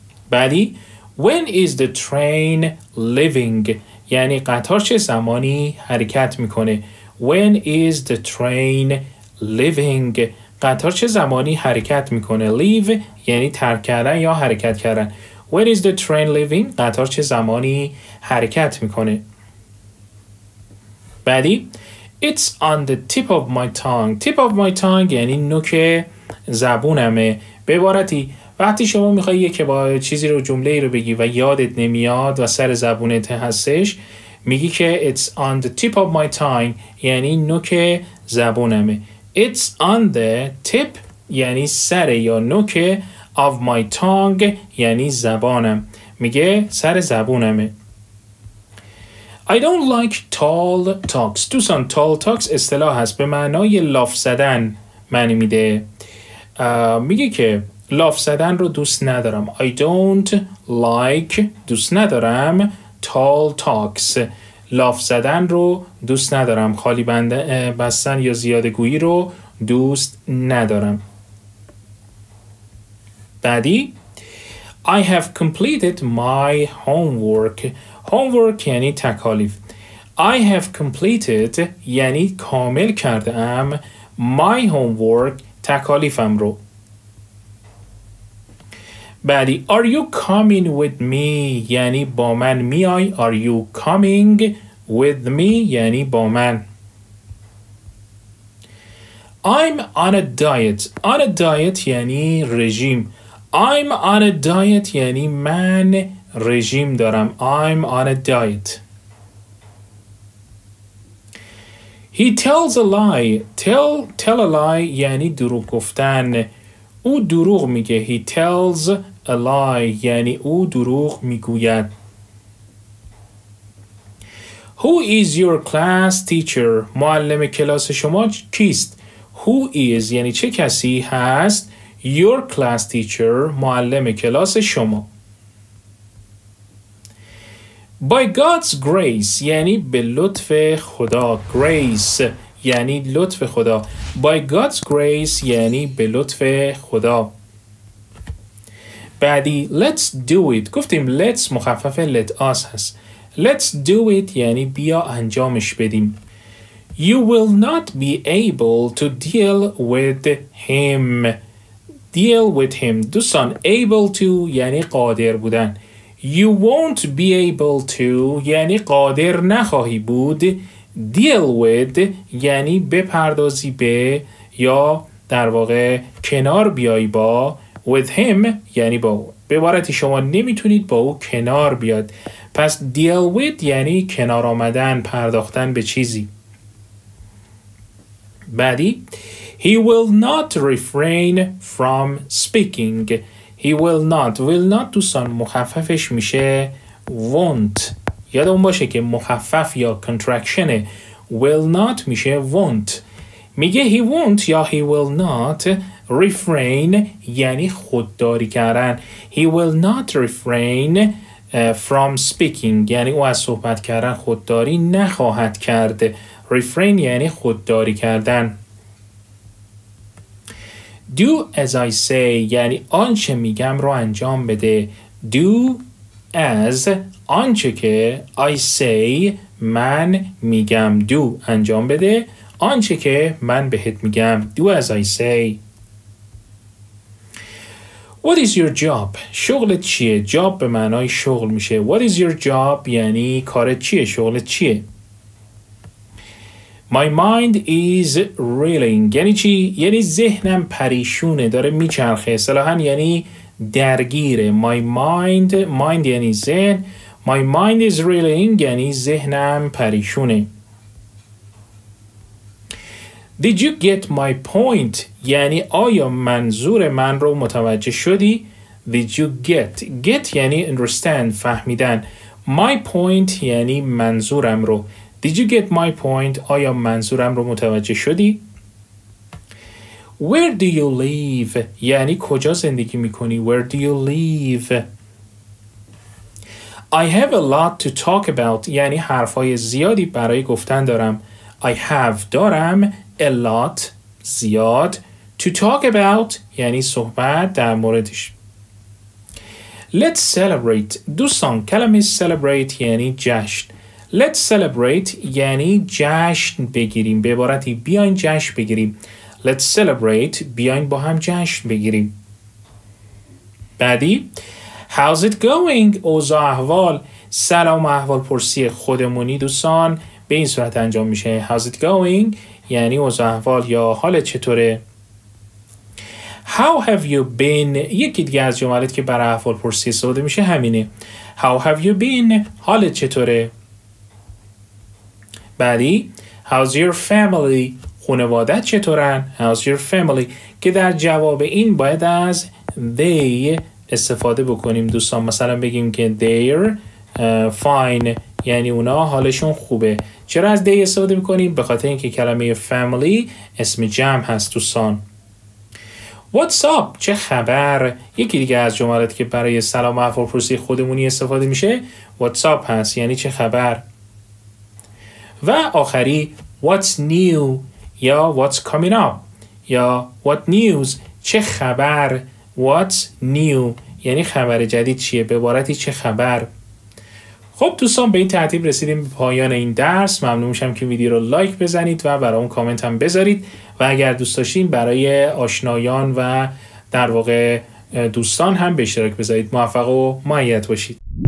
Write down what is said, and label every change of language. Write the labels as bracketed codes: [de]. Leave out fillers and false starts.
[fa] بعدی [en] when is the train leaving [fa] یعنی قطار چه زمانی حرکت میکنه. [en] when is the train leaving [fa] قطار چه زمانی حرکت میکنه. leave یعنی ترک کردن یا حرکت کردن. [en] when is the train leaving [fa] قطار چه زمانی حرکت میکنه. بعدی [en] it's on the tip of my tongue. tip of my tongue [fa] یعنی نوک زبونمه. به عبارتی وقتی شما میخوای یک بار چیزی رو جمله‌ای رو بگی و یادت نمیاد و سر زبونت هستش، میگی که [en] it's on the tip of my tongue [fa] یعنی نوک زبونمه. [en] It's on the tip [fa] یعنی سر یا نوک [en] of my tongue [fa] یعنی زبانم. [en] میگه سر زبونمه. I don't like tall talks. [fa] دوستان tall talks اصطلاح هست به معنای لاف زدن معنی میده. میگه که لاف زدن رو دوست ندارم. [en] I don't like [fa] دوست ندارم [en] tall talks. [fa] لاف زدن رو دوست ندارم. خالی بستن یا زیاده گویی رو دوست ندارم. بعدی [en] I have completed my homework. [fa] Homework یعنی تکالیف. [en] I have completed [fa] یعنی کامل کردم [en] my homework [fa] تکالیفم رو. بعدی [en] Are you coming with me [fa] یعنی با من میای. [en] Are you coming with me [fa] یعنی با من. [en] I'm on a diet. On a diet یعنی رژیم. I'm on a diet [fa] یعنی من رژیم دارم. [en] I'm on a diet. He tells a lie. Tell a lie [fa] یعنی دروغ گفتن. او دروغ میگه. [en] He tells a lie [fa] یعنی او دروغ میگوید. [en] Who is your class teacher? [fa] معلم کلاس شما کیست؟ [en] Who is [fa] یعنی چه کسی هست؟ [en] Your class teacher [fa] معلم کلاس شما. [en] By God's grace [fa] یعنی به لطف خدا. Grace یعنی لطف خدا. [en] By God's grace [fa] یعنی به لطف خدا. بعدی [en] Let's do it. [fa] گفتیم let's مخفف let us هست. [en] Let's do it [fa] یعنی بیا انجامش بدیم. [en] You will not be able to deal with him. Deal with him. [fa] دوستان able to یعنی قادر بودن. [en] You won't be able to [fa] یعنی قادر نخواهی بود. Deal with یعنی بپردازی به یا در واقع کنار بیای با. [en] With him [fa] یعنی با او. به عبارتی شما نمیتونید با او کنار بیاد. پس deal with یعنی کنار آمدن، پرداختن به چیزی. بعدی [en] He will not refrain from speaking. He will not. [fa] Will not دوستان مخففش میشه won't. یاد اون باشه که مخفف یا contractionه. [en] Will not [fa] میشه [en] won't. میگه he won't یا he will not refrain [fa] یعنی خودداری کردن. [en] He will not refrain from speaking [fa] یعنی او از صحبت کردن خودداری نخواهد کرد. Refrain یعنی خودداری کردن. [en] Do as I say [fa] یعنی آنچه میگم رو انجام بده. [en] Do as [fa] آنچه که [en] I say [fa] من میگم. Do انجام بده آنچه که من بهت میگم. [en] Do as I say. What is your job؟ [fa] شغلت چیه؟ [en] Job [fa] به معنای شغل میشه. [en] What is your job؟ [fa] یعنی کارت چیه؟ شغلت چیه؟ [en] My mind is reeling. [fa] یعنی چی؟ یعنی ذهنم پریشونه، داره میچرخه. اصطلاحاً یعنی درگیره. [en] My mind [fa] یعنی ذهن. [en] My mind is reeling [fa] یعنی ذهنم پریشونه. [en] Did you get my point؟ [fa] یعنی آیا منظور من رو متوجه شدی؟ [en] Did you get؟ Get یعنی understand، فهمیدن. [fa] My point یعنی منظورم رو. [en] Did you get my point؟ [fa] آیا منظورم رو متوجه شدی؟ [en] Where do you live؟ [fa] یعنی کجا زندگی میکنی؟ [en] Where do you live؟ I have a lot to talk about [fa] یعنی حرفای زیادی برای گفتن دارم. [en] I have دارم a lot زیاد to talk about [fa] یعنی صحبت در موردش. [en] Let's celebrate. [fa] دوستان کلمه celebrate یعنی جشن. [en] Let's celebrate [fa] یعنی جشن بگیریم. به عبارتی بیاین جشن بگیریم. [en] Let's celebrate [fa] بیاین با هم جشن بگیریم. بعدی [en] How's it going؟ [fa] اوضاع احوال. سلام و احوال پرسی خودمونی دوستان به این صورت انجام میشه. [en] How's it going؟ [fa] یعنی اوضاع احوال یا حال چطوره. [en] How have you been؟ [fa] یکی دیگه از جملات که برای احوال پرسی استفاده میشه همینه. [en] How have you been؟ [fa] حال چطوره. بعدی [en] How's your family؟ [fa] خانواده چطورن؟ How's your family؟ که در جواب این باید از they استفاده بکنیم دوستان. مثلا بگیم که [en] they're fine [fa] یعنی اونا حالشون خوبه. چرا از they استفاده بکنیم؟ به خاطر اینکه کلمه family اسم جمع هست دوستان. واتساپ چه خبر؟ یکی دیگه از جملاتی که برای سلام و احوالپرسی خودمونی استفاده میشه واتساپ هست، یعنی چه خبر. [en] و آخری What's new یا What's coming up یا What news [fa] چه خبر. [en] What's new [fa] یعنی خبر جدید چیه، به عبارتی چه خبر. خب دوستان، به این ترتیب رسیدیم به پایان این درس. ممنون میشم که ویدیو رو لایک بزنید و برای اون کامنت هم بذارید، و اگر دوست داشتین برای آشنایان و در واقع دوستان هم به اشتراک بذارید. موفق و معید باشید.